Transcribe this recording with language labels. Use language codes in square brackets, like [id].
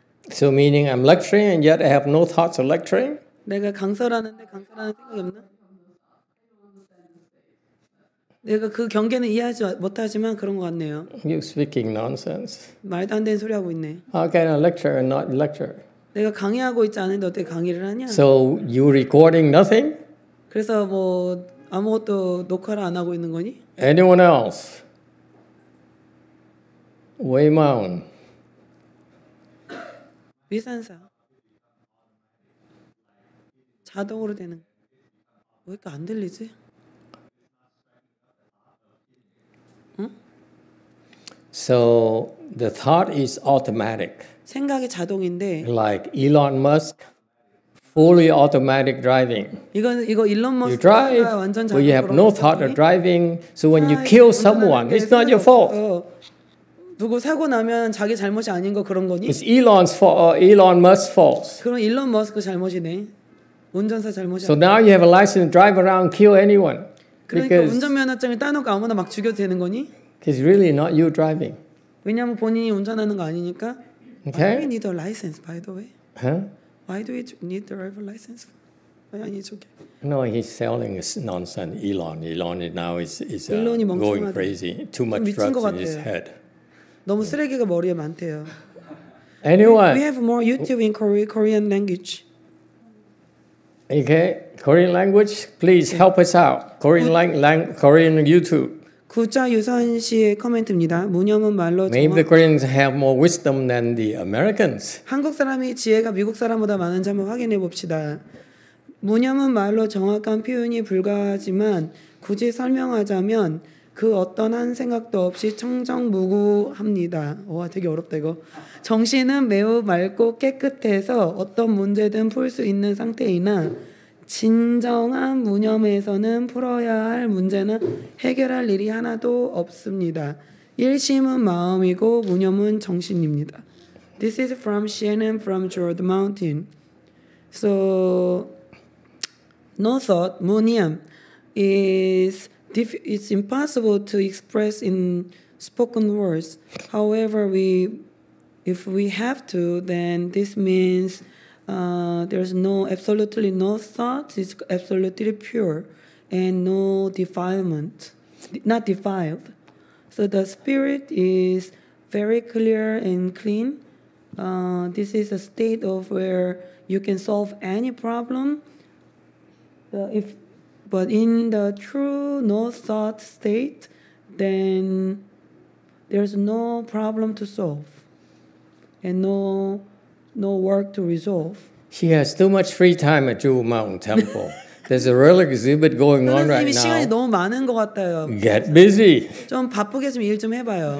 [en] So meaning I'm lecturing and yet I have no thoughts of lecturing? [ko] 내가 강설하는데 강설하는 생각이 없나? 내가 그 경계는 이해하지 못하지만 그런 것 같네요. [en] You're speaking nonsense. [ko] 말도 안 되는 소리 하고 있네. [en] How can I lecture and not lecture? [ko] 내가 강의하고 있지 않은데 어떻게 강의를 하냐? [en] So you recording nothing? [ko] 그래서 뭐 아무것도 녹화를 안 하고 있는 거니? [en] Anyone else? Way Mount. [ko] 위산사. 자동으로 되는. 왜 이렇게 안 들리지? [en] So the thought is automatic. [ko] 생각이 자동인데. [en] Like Elon Musk, fully automatic driving. [ko] 이건 이거 일론 머스크가 [en] You drive, but you have no thought of driving. So when you kill someone, it's not your fault. [ko] 누구 사고 나면 자기 잘못이 아닌 거 그런 거니? [en] It's Elon's fault. Elon Musk's fault. [ko] 그럼 일론 머스크 잘못이네. 운전사 잘못이. [en] So now you have a license to drive around, kill anyone. [ko] 그러니까 운전면허증을 따놓고 아무나 막 죽여도 되는 거니? [en] It's really not you driving. [ko] 왜냐면 본인이 운전하는 거 아니니까. [en] Okay. Why do we need a license, by the way? Huh? Why do we need the driver license? Why are you No, he's selling his nonsense. Elon now is going crazy. Too much drugs in his head. [ko] 너무 쓰레기가 머리에 많대요. [en] Anyone? We have more YouTube in Korean language. Okay, Korean language. Please help us out. Korean YouTube. [ko] 구자 유선 씨의 코멘트입니다. 문형은 말로 정확. [en] Maybe the Koreans have more wisdom than the Americans. [ko] 한국 사람이 지혜가 미국 사람보다 많은지 한번 확인해 봅시다. 문형은 말로 정확한 표현이 불가하지만 굳이 설명하자면 그 어떤 한 생각도 없이 청정무구합니다. 와 되게 어렵다 이거. 정신은 매우 맑고 깨끗해서 어떤 문제든 풀 수 있는 상태이나 진정한 무념에서는 풀어야 할 문제나 해결할 일이 하나도 없습니다. 일심은 마음이고 무념은 정신입니다. [en] This is from Seongnam from toward the mountain. So, no thought, Muniam, it's impossible to express in spoken words. However, if we have to, then this means there's absolutely no thought, it's absolutely pure, and no defilement, not defiled. So the spirit is very clear and clean. This is a state of where you can solve any problem. But in the true no thought state, then there's no problem to solve, and no work to resolve. She has too much free time at Jewel Mountain Temple. There's a real exhibit going on right now. [ko] 선생님 시간이 너무 많은 것 같아요. [en] Get busy. [ko] 좀 바쁘게 좀 일 좀 해봐요.